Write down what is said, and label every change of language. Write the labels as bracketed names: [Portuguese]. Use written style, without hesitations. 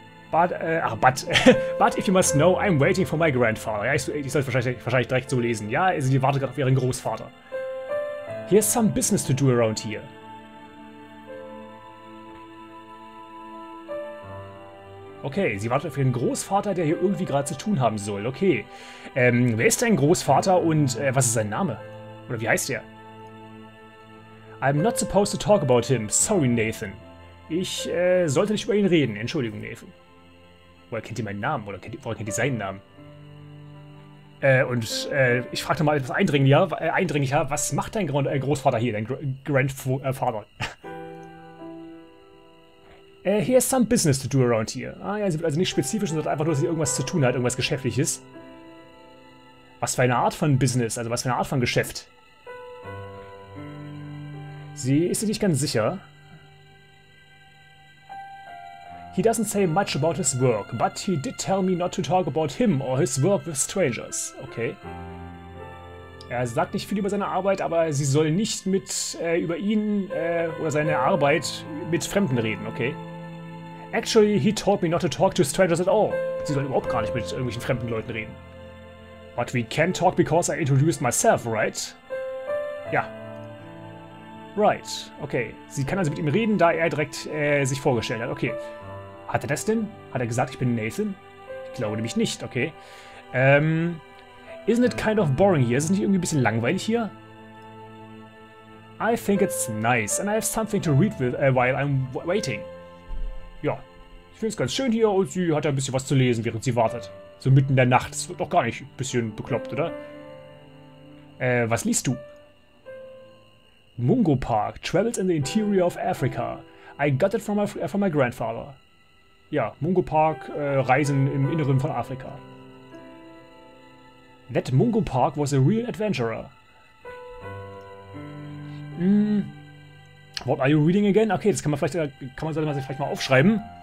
[English] But if you must know, I'm waiting for my grandfather. [German] Ja, ich soll es wahrscheinlich direkt so lesen. Ja, also die wartet gerade auf ihren Großvater. [English] Here's some business to do around here. [German] Okay, sie wartet auf ihren Großvater, der hier irgendwie gerade zu tun haben soll. Okay. Wer ist dein Großvater und was ist sein Name? Oder wie heißt er? [English] I'm not supposed to talk about him. [German] Sorry, Nathan. Ich sollte nicht über ihn reden. Entschuldigung, Nathan. Woher kennt ihr meinen Namen? Oder woher kennt ihr seinen Namen? Ich frage mal etwas eindringlicher, was macht dein Großvater hier, dein Grandfather? [English] he has some business to do around here. [German] Ah ja, sie wird also nicht spezifisch, sondern einfach nur, dass sie irgendwas zu tun hat, irgendwas Geschäftliches. Was für eine Art von Business, also was für eine Art von Geschäft? Sie ist sich nicht ganz sicher. [English] He doesn't say much about his work, but he did tell me not to talk about him or his work with strangers. Okay. [German] Er sagt nicht viel über seine Arbeit, aber sie soll nicht mit über ihn oder seine Arbeit mit Fremden reden, okay? [English] Actually, he told me not to talk to strangers at all. [German] Sie soll überhaupt gar nicht mit irgendwelchen fremden Leuten reden. [English] But we can talk because I introduced myself, right? [German] Ja. Right. Okay. Sie kann also mit ihm reden, da er direkt sich vorgestellt hat, okay. Hat er das denn? Hat er gesagt, ich bin Nathan? Ich glaube nämlich nicht, okay. [English] Isn't it kind of boring here? [German] Ist es nicht irgendwie ein bisschen langweilig hier? [English] I think it's nice and I have something to read with, while I'm waiting. [German] Ja, ich finde es ganz schön hier und sie hat ja ein bisschen was zu lesen, während sie wartet. So mitten in der Nacht. Das wird doch gar nicht ein bisschen bekloppt, oder? Was liest du? [English] Mungo Park, Travels in the Interior of Africa. I got it from my grandfather. [German] Ja, Mungo Park, Reisen im Inneren von Afrika. [English] That Mungo Park was a real adventurer. What are you reading again? [German] Okay, das sollte man sich vielleicht mal aufschreiben.